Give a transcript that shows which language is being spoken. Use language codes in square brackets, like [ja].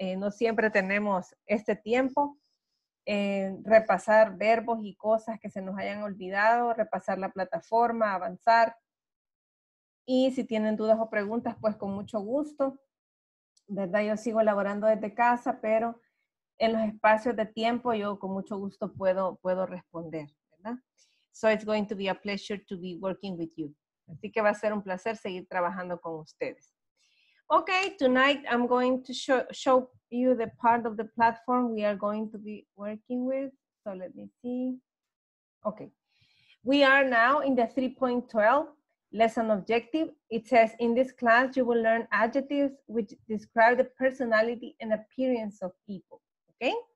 [es] No siempre tenemos este tiempo. Repasar verbos y cosas que se nos hayan olvidado, repasar la plataforma, avanzar. Y si tienen dudas o preguntas, pues con mucho gusto, ¿verdad? Yo sigo laborando desde casa, pero en los espacios de tiempo yo con mucho gusto puedo responder, ¿verdad? [en] So it's going to be a pleasure to be working with you. [es] Así que va a ser un placer seguir trabajando con ustedes. [en] Okay, tonight I'm going to show you the part of the platform we are going to be working with. So let me see. Okay. We are now in the 3.12. Lesson objective. It says, in this class, you will learn adjectives which describe the personality and appearance of people. Okay?